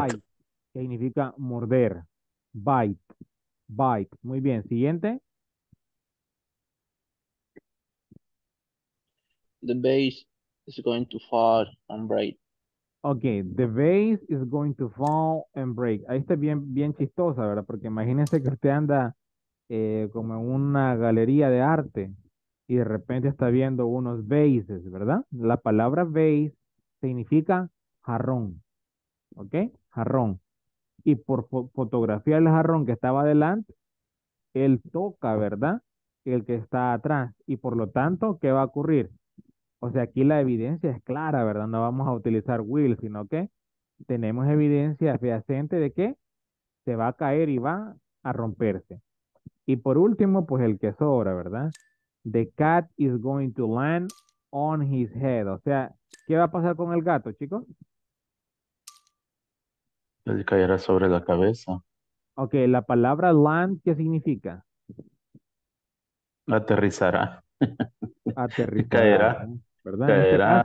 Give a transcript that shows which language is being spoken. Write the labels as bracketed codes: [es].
[es] Bite. Que significa morder. Bite. Bite. Muy bien. Siguiente. [en] The vase is going to fall and break. Ok. The vase is going to fall and break. [es] Ahí está bien, bien chistosa, ¿verdad? Porque imagínense que usted anda como en una galería de arte y de repente está viendo unos vases, ¿verdad? La palabra vase significa jarrón. Ok. Jarrón. Y por fotografía del jarrón que estaba adelante, él toca, ¿verdad? El que está atrás. Y por lo tanto, ¿qué va a ocurrir? O sea, aquí la evidencia es clara, ¿verdad? No vamos a utilizar will, sino que tenemos evidencia fehaciente de que se va a caer y va a romperse. Y por último, pues el que sobra, ¿verdad? [en] The cat is going to land on his head. [es] O sea, ¿qué va a pasar con el gato, chicos? Le caerá sobre la cabeza. Ok, la palabra land, ¿qué significa? Aterrizará. Aterrizará. Caerá. ¿Verdad? Caerá,